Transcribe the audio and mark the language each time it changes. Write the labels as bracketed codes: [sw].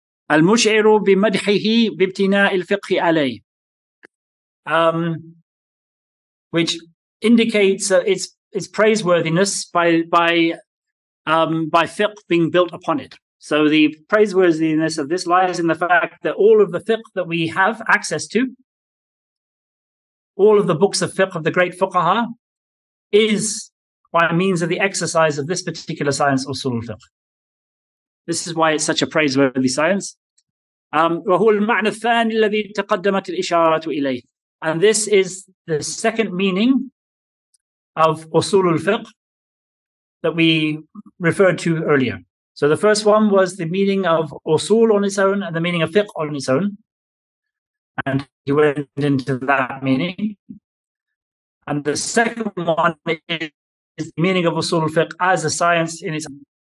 [ar] المشعر بمدحه بابتناء الفقه عليه. [en] Which indicates its praiseworthiness by fiqh being built upon it. So the praiseworthiness of this lies in the fact that all of the fiqh that we have access to, all of the books of fiqh of the great fuqaha, is by means of the exercise of this particular science, usul al-fiqh. This is why it's such a praiseworthy science. [ar] وهو المعنى الثاني الذي تقدمت الإشارة إليه. [en] And this is the second meaning of usul al-fiqh that we referred to earlier. So the first one was the meaning of usul on its own and the meaning of fiqh on its own. And he went into that meaning. And the second one is the meaning of usul al-fiqh as a science in its own.